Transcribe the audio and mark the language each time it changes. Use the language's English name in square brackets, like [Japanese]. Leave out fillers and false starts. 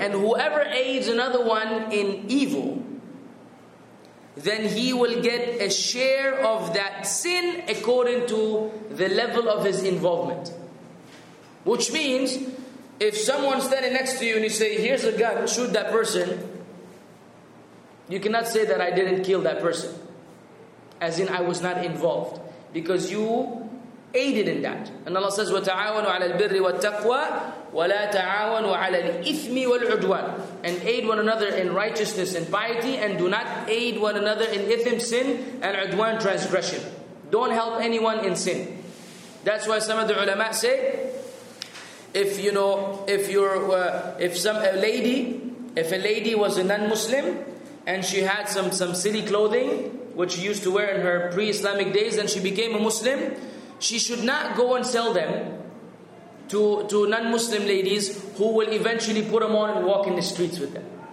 [English] And whoever aids another one in evil, then he will get a share of that sin according to the level of his involvement. Which means, if someone's standing next to you and you say, here's a gun, shoot that person, you cannot say that I didn't kill that person. As in, I was not involved. Because you aided in that. And Allah says, [Arabic] وَتَعَاوَنُوا عَلَى الْبِرِّ وَالتَّقْوَى وَلَا تَعَاوَنُوا عَلَى الْإِثْمِ وَالْعُدْوَانِ. [English] And aid one another in righteousness and piety, and do not aid one another in ithm, sin, and udwan, transgression. Don't help anyone in sin. That's why some of the ulama say, if a lady was a non-Muslim and she had some silly clothing which she used to wear in her pre-Islamic days, and she became a Muslim, she should not go and sell them to non-Muslim ladies who will eventually put them on and walk in the streets with them.